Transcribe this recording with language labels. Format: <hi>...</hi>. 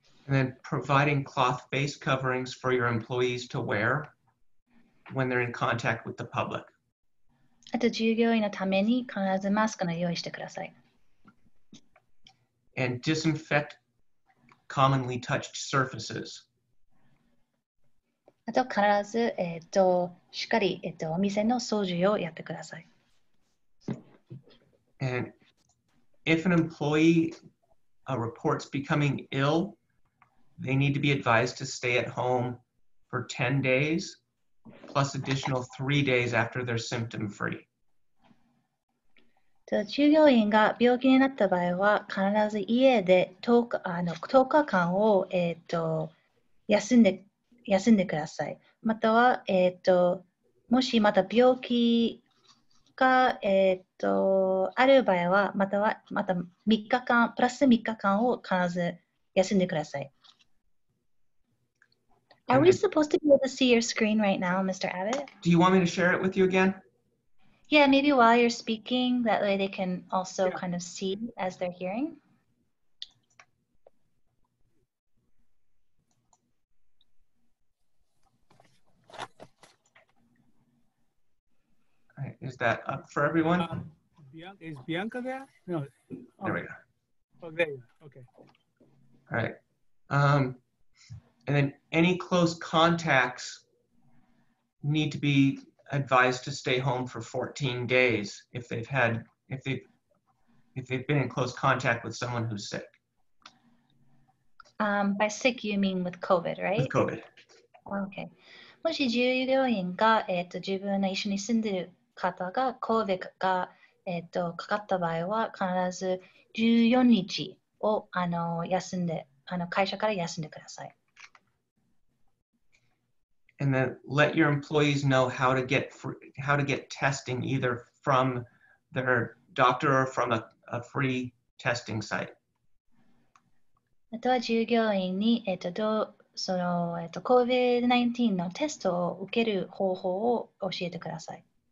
<en>And then providing cloth face coverings for your employees to wear when they're in contact with the public.</en> <ja>あと従業員のために必ずマスクを用意してください。</ja> <en>And disinfect commonly touched surfaces.</en> <ja>あと必ず、しっかり、お店の掃除をやってください。</ja> <en>And if an employee reports becoming ill, they need to be advised to stay at home for 10 days plus additional 3 days after they're symptom free.</en> <ja>従業員が病気になった場合は必ず家で10日間を、休んでください。または、もしまた病気が、ある場合は、また3日間、プラス3日間を必ず休んでください。</ja> <en>Are we supposed to be able to see your screen right now, Mr. Abbott? Do you want me to share it with you again? Yeah, maybe while you're speaking, that way they can also kind of see as they're hearing. Is that up for everyone? Is Bianca there? No. There we go. Oh, there you are. Okay. All right. And then any close contacts need to be advised to stay home for 14 days if they've been in close contact with someone who's sick. By sick, you mean with COVID, right? With COVID. Okay.</en> <ja>もし従業員が、自分の一緒に住んでいる方が COVID が、かかった場合は必ず14日を休んで会社から休んでください。</ja> <en>And then let your employees know how to get testing either from their doctor or from a free testing site.</en> <ja>あとは従業員に、COVID-19 のテストを受ける方法を教えてください。</ja>